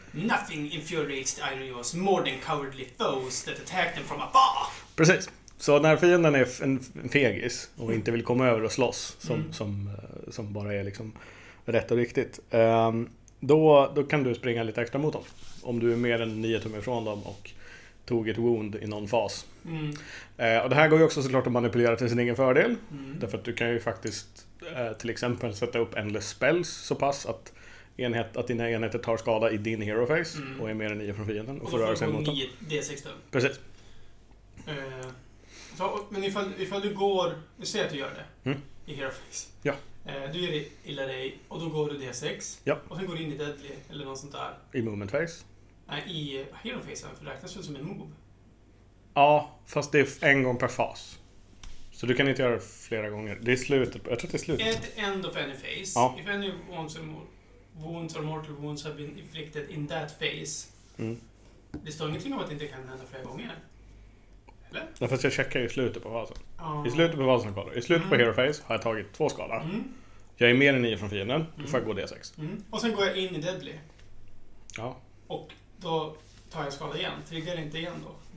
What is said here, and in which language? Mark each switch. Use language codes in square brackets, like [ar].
[en] Nothing infuriates the Irios more than cowardly foes that attack them from afar. [sv] Precis. Så när fienden är en fegis och inte vill komma över och slåss som bara är liksom rätt och riktigt, då kan du springa lite extra mot dem. Om du är mer än 9 tum ifrån dem och tog ett wound i någon fas. Och det här går ju också såklart att manipulera till sin egen fördel. Därför att du kan ju faktiskt till exempel sätta upp endless spells så pass att att dina enheter tar skada i din hero phase och är mer än 9 från fienden. Och får röra sig mot dem. D6 då. Precis. Men ifall du går, du ser att du gör det i hero phase. Ja. Du gör illa dig och då går du D6. Ja. Och sen går du in i deadly eller något sånt där. I movement phase. Nej, i hero phase, för det räknas ju som en move. Ja, fast det är en gång per fas. Så du kan inte göra det flera gånger. Det är slutet. Jag tror att det är slutet. [en] At the end of any phase. [sv] Ja. [en] If any wounds or mortal wounds have been inflicted in that phase. [sv] Det står ingenting om att det inte kan hända flera gånger. Ja, fast jag checkar i slutet på fasen. I slutet på fasen kvar. I slutet på hero phase har jag tagit 2 skada. Jag är mer än 9 från fienden. Då får jag gå D6. Och sen går jag in i deadly. Ja. Och då tar jag skada igen. Triggar det inte igen då?